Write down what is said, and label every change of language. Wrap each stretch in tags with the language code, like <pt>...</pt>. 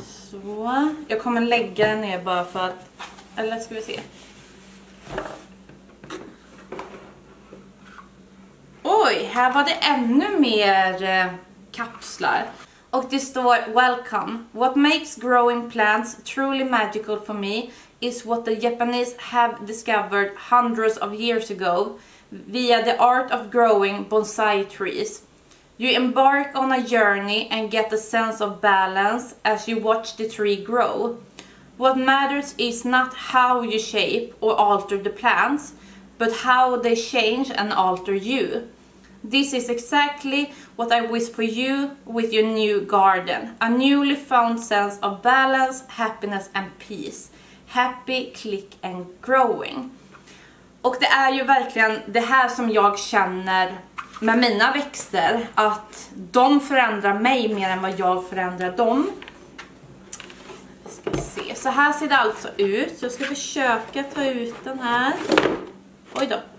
<sv>Så. Jag kommer lägga den ner bara för att. Eller ska vi se. Oj, här var det ännu mer kapslar. Och det står welcome.</sv> <en>What makes growing plants truly magical for me is what the Japanese have discovered hundreds of years ago via the art of growing bonsai trees. You embark on a journey and get a sense of balance as you watch the tree grow. What matters is not how you shape or alter the plants, but how they change and alter you. This is exactly what I wish for you with your new garden. A newly found sense of balance, happiness and peace. Happy, click and growing.</en> <sv>Och det är ju verkligen det här som jag känner med mina växter att de förändrar mig mer än vad jag förändrar dem. Vi ska se. Så här ser det alltså ut. Jag ska försöka ta ut den här. Oj då.</sv>